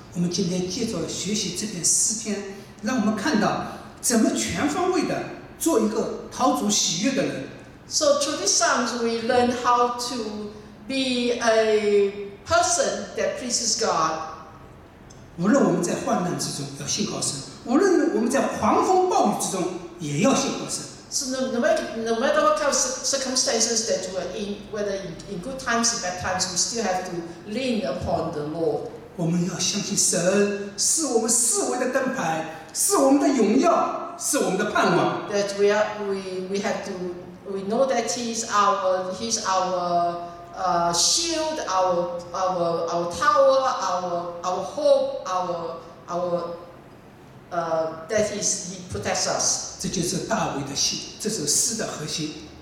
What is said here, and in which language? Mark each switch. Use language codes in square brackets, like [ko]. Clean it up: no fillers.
[zh] 我们今天借着学习这篇诗篇，让我们看到怎么全方位的做一个讨主喜悦的人。 [en] So through these Psalms, we learn how to be a person that pleases God. [zh] 无论我们在患难之中要信靠神，无论我们在狂风暴雨之中也要信靠神。 [en] So no matter what kind of circumstances that we are in, whether in good times or bad times, we still have to lean upon the Lord. [zh] 我们要相信神是我们四围的灯牌，是我们的荣耀，是我们的盼望。 [en] That we know that He's our shield, our tower, our hope, that is He protects us. [zh] 这就是大卫的心，这首诗的核心。